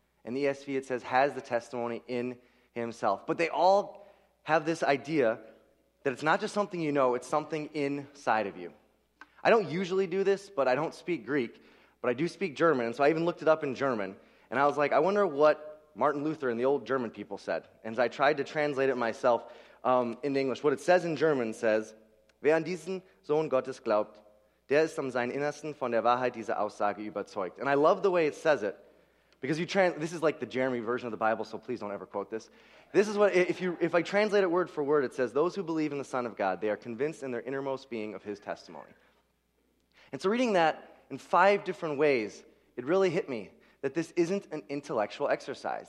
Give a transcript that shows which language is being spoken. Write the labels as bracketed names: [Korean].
[English] In the ESV, it says, has the testimony in himself. But they all have this idea that it's not just something you know, it's something inside of you. I don't usually do this, but I don't speak Greek, but I do speak German, and so I even looked it up in German, and I was like, I wonder what Martin Luther and the old German people said. And as I tried to translate it myself into English, what it says in German says, [German] wer an diesen Sohn Gottes glaubt, der ist am seinen Innersten von der Wahrheit dieser Aussage überzeugt. [English] And I love the way it says it, because this is like the Jeremy version of the Bible, so please don't ever quote this. This is what, if I translate it word for word, it says, those who believe in the Son of God, they are convinced in their innermost being of his testimony. And so reading that in five different ways, it really hit me that this isn't an intellectual exercise.